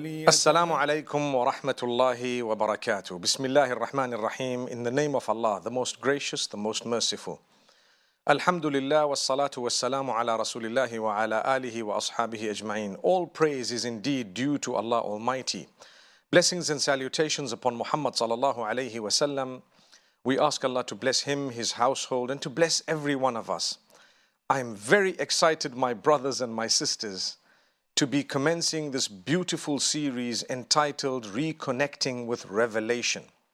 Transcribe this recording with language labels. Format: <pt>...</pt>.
<ar>السلام عليكم ورحمة الله وبركاته. بسم الله الرحمن الرحيم.</ar> <en>In the name of Allah, the most gracious, the most merciful.</en> <ar>الحمد لله والصلاة والسلام على رسول الله وعلى آله وأصحابه أجمعين.</ar> <en>All praise is indeed due to Allah Almighty. Blessings and salutations upon Muhammad sallallahu alayhi wa sallam. We ask Allah to bless him, his household, and to bless every one of us. I am very excited, my brothers and my sisters, to be commencing this beautiful series entitled Reconnecting with Revelation.</en>